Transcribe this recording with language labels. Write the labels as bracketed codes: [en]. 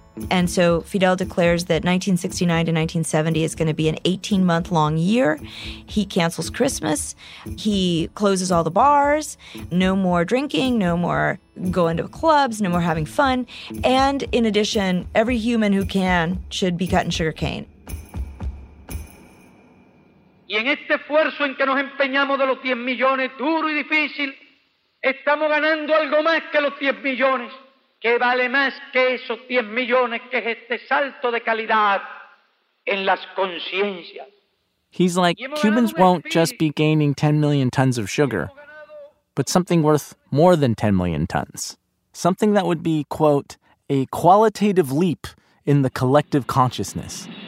[en] And so Fidel declares that 1969 to 1970 is going to be an 18-month-long year. He cancels Christmas. He closes all the bars. No more drinking. No more going to clubs. No more having fun. And in addition, every human who can should be cutting sugarcane. [es] Y en este esfuerzo en que nos empeñamos de los 10 millones, duro y difícil, estamos ganando algo más que los 10 millones. ¿Qué vale más que esos 10 millones que es este salto de calidad en las conciencias? [en] He's like, Cubans won't just be gaining 10 million tons of sugar, but something worth more than 10 million tons. Something that would be, quote, a qualitative leap in the collective consciousness.